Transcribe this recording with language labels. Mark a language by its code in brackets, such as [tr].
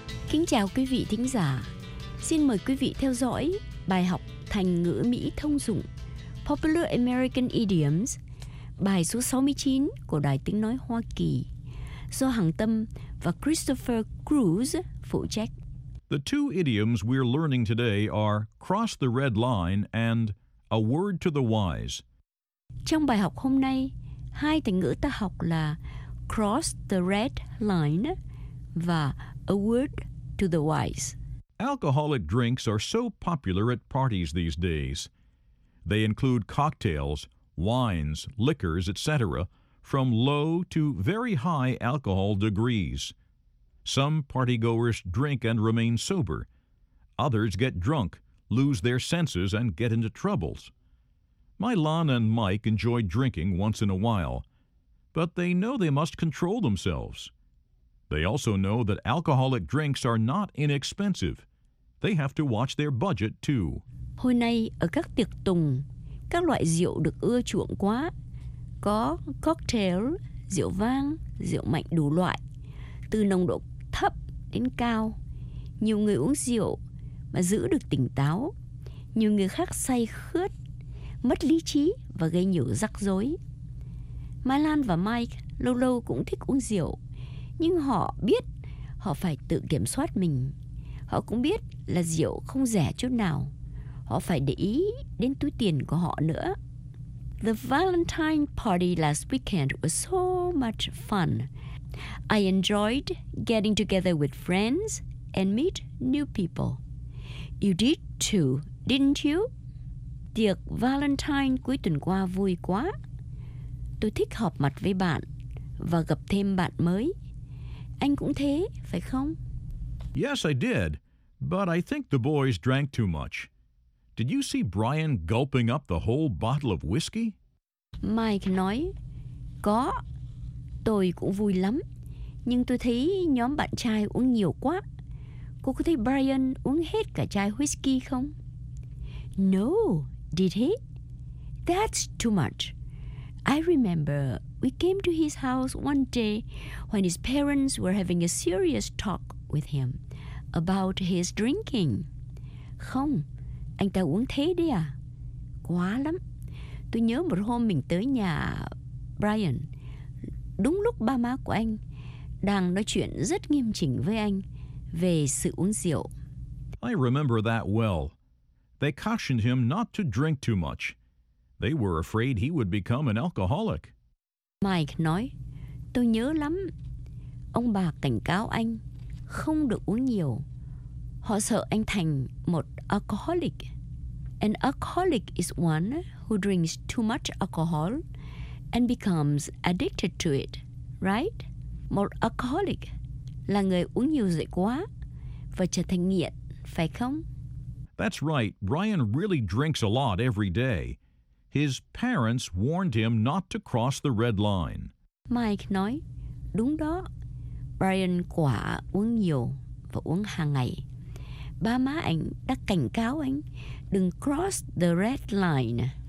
[vi] Kính chào quý vị thính giả. Xin mời quý vị theo dõi bài học thành ngữ Mỹ thông dụng Popular American Idioms, bài số 69 của Đài Tiếng Nói Hoa Kỳ, do Hằng Tâm và Christopher Cruz phụ trách. [en] The two idioms we're learning today are cross the red line and a word to the wise. [vi] Trong bài học hôm nay, hai thành ngữ ta học là [en] cross the red line [vi] và [en] a word to the wise. Alcoholic drinks are so popular at parties these days. They include cocktails, wines, liquors, etc., from low to very high alcohol degrees. Some partygoers drink and remain sober. Others get drunk, lose their senses, and get into troubles. Mylon and Mike enjoy drinking once in a while, but they know they must control themselves. They also know that alcoholic drinks are not inexpensive. They have to watch their budget, too. [vi] Hôm nay, ở các tiệc tùng, các loại rượu được ưa chuộng quá. Có cocktail, rượu vang, rượu mạnh đủ loại, từ nồng độ thấp đến cao. Nhiều người uống rượu mà giữ được tỉnh táo. Nhiều người khác say khướt, mất lý trí và gây nhiều rắc rối. Mylan và Mike lâu lâu cũng thích uống rượu, nhưng họ biết họ phải tự kiểm soát mình. Họ cũng biết là rượu không rẻ chút nào. Họ phải để ý đến túi tiền của họ nữa. [en] The Valentine party last weekend was so much fun. I enjoyed getting together with friends and meet new people. You did too, didn't you? [vi] Tiệc Valentine cuối tuần qua vui quá. Tôi thích họp mặt với bạn và gặp thêm bạn mới. Anh cũng thế, phải không? [en] Yes, I did. But I think the boys drank too much. Did you see Brian gulping up the whole bottle of whiskey? [vi] Mike nói, có. Tôi cũng vui lắm. Nhưng tôi thấy nhóm bạn trai uống nhiều quá. Cô có thấy Brian uống hết cả chai whiskey không? [en] No, did he? That's too much. I remember we came to his house one day when his parents were having a serious talk with him about his drinking. [vi] Không, anh ta uống thế đấy à? Quá lắm. Tôi nhớ một hôm mình tới nhà Brian, đúng lúc ba má của anh đang nói chuyện rất nghiêm chỉnh với anh về sự uống rượu. [en] I remember that well. They cautioned him not to drink too much. They were afraid he would become an alcoholic. [vi] Mike nói, tôi nhớ lắm. Ông bà cảnh cáo anh không được uống nhiều. Họ sợ anh thành một alcoholic. [en] An alcoholic is one who drinks too much alcohol and becomes addicted to it, right? [vi] Một alcoholic là người uống nhiều rượu quá và trở thành nghiện, phải không? [en] That's right. Brian really drinks a lot every day. His parents warned him not to cross the red line. [vi] Mike nói, đúng đó. Brian quả uống nhiều và uống hàng ngày. Ba má anh đã cảnh cáo anh đừng [en] cross the red line.